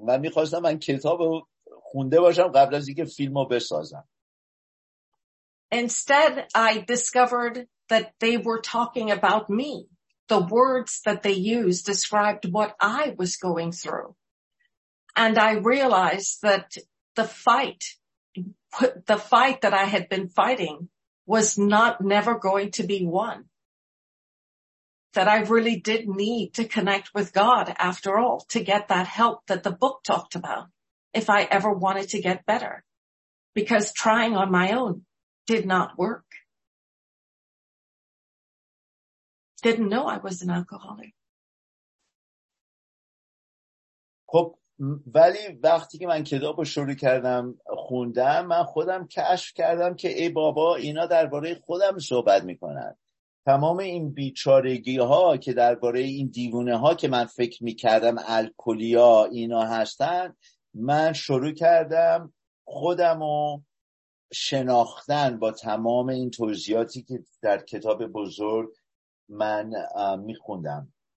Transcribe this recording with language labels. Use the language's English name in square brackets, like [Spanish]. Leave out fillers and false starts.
[Persian] من می‌خواستم من کتاب رو خونده باشم قبل از اینکه فیلم رو بسازم. [English] Instead I discovered that they were talking about me. The words that they used described what I was going through. And I realized that the fight that I had been fighting was not never going to be won. That I really did need to connect with God after all to get that help that the book talked about if I ever wanted to get better. Because trying on my own did not work. Didn't know I was an alcoholic. [Persian] ولی وقتی که من کتاب رو شروع کردم خوندم من خودم کشف کردم که ای بابا اینا درباره خودم صحبت میکنن. تمام این بیچارگی ها که درباره این دیوونه ها که من فکر میکردم الکلیا اینا هستن، من شروع کردم خودم رو شناختن با تمام این توضیحاتی که در کتاب بزرگ من میخوندم